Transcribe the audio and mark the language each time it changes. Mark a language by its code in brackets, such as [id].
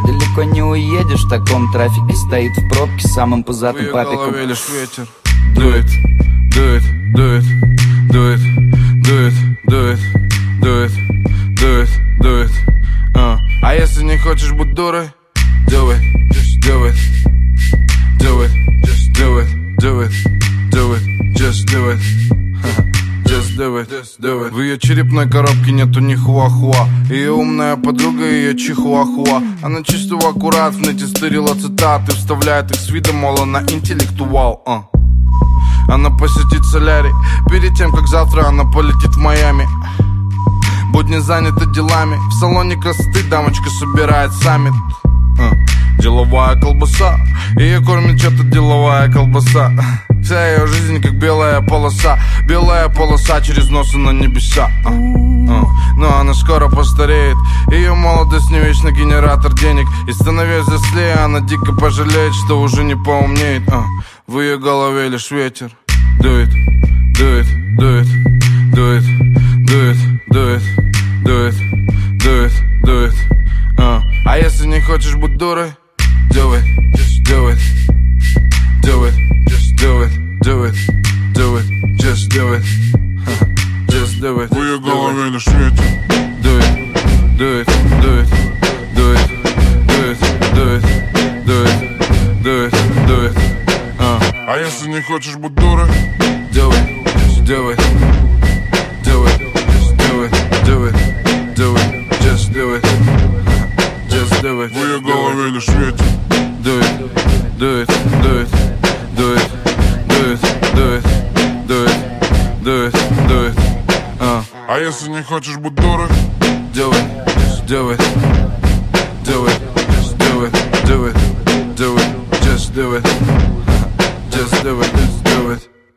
[ru] Далеко не уедешь в таком трафике. Стоит в пробке самым пузатым папиком. В ее голове лишь ветер. Дует, дует, дует, дует, дует, дует, дует, дует, дует. А если не хочешь быть дурой, [en] do it, just do it. Do it, just do it, do it, do it, just do it. Just do it. [ru] В ее черепной коробке нету ни хуа-хуа. Ее умная подруга, ее чихуахуа. Она чистого аккурат, в нете стырила цитаты. Вставляет их с видом, мол, она интеллектуал. Она посетит солярий перед тем, как завтра она полетит в Майами. Будни заняты делами. В салоне красоты дамочка собирает саммит. Деловая колбаса. Ее кормит что-то деловая колбаса. Вся ее жизнь как белая полоса. Белая полоса через носы на небеса. Но она скоро постареет. Ее молодость не вечно генератор денег. И становясь взрослее, она дико пожалеет, что уже не поумнеет. В ее голове лишь ветер. [en] Do it, do it, do it, do it, do it, do it, do it, do it, do it. [ru] А если не хочешь быть дурой, [en] do it, just do it, do it, just do it, do it, do it, just do it, just do it. [ru] В ее голове лишь ветер. [en] Do it, do it, do it, do it, do it, do it, do it, do it, do it. [ru] А если не хочешь быть дурой, [en] do it, just do it, do it, just do it, do it, do it, just do it, just do it. [ru] В ее голове лишь ветер. [en] Do it, do it, do it, do it, do it, do it, do it, do it, do it. [ru] А если не хочешь быть дурой, [en] do it, just do it, do it, just do it, do it, do it, just do it. Just do it, just do it.